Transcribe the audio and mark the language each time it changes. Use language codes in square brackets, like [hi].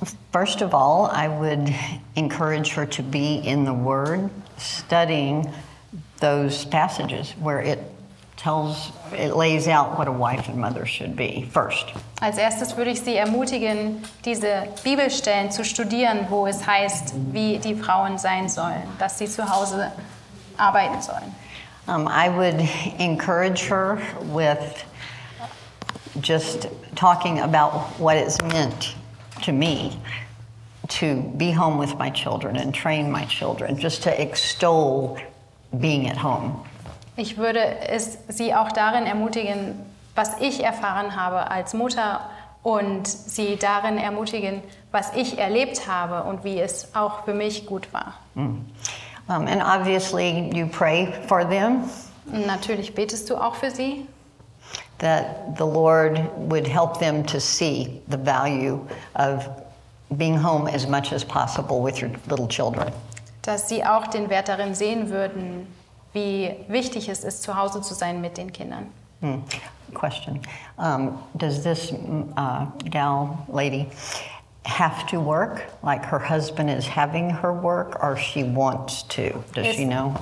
[en] First of all, I would encourage her to be in the Word, studying those passages where it lays out what a wife and mother should be first. [de] Als erstes würde ich Sie ermutigen, diese Bibelstellen zu studieren, wo es heißt, wie die Frauen sein sollen, dass sie zu Hause arbeiten sollen. [en] I would encourage her with just talking about what it's meant to me to be home with my children and train my children, just to extol being at home. [de] Ich würde es Sie auch darin ermutigen, was ich erfahren habe als Mutter und Sie darin ermutigen, was ich erlebt habe und wie es auch für mich gut war. [en] And obviously you pray for them. [de] Natürlich betest du auch für sie. [en] That the Lord would help them to see the value of being home as much as possible with your little children. [de] Dass sie auch den Wert darin sehen würden, wie wichtig es ist, zu Hause zu sein mit den Kindern. [en] Question. Does this gal, lady, have to work? Like her husband is having her work or she wants to? Does she know?